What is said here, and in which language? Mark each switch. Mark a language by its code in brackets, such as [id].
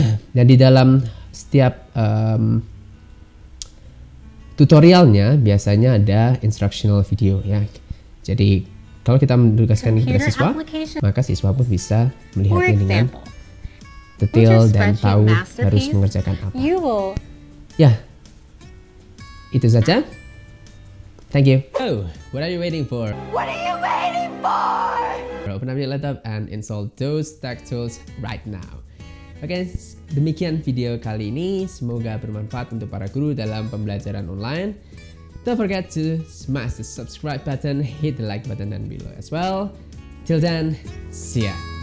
[id] Dan di dalam setiap tutorialnya biasanya ada instructional video ya. Jadi kalau kita menugaskan kepada siswa, maka siswa pun bisa melihatnya dengan detail dan tahu harus mengerjakan apa. Ya, itu saja. Thank you. [en] Oh, what are you waiting for? What are you waiting for? Open up your laptop and install those tech tools right now. [id] Oke, demikian video kali ini. Semoga bermanfaat untuk para guru dalam pembelajaran online. [en] Don't forget to smash the subscribe button, hit the like button down below as well. Till then, see ya.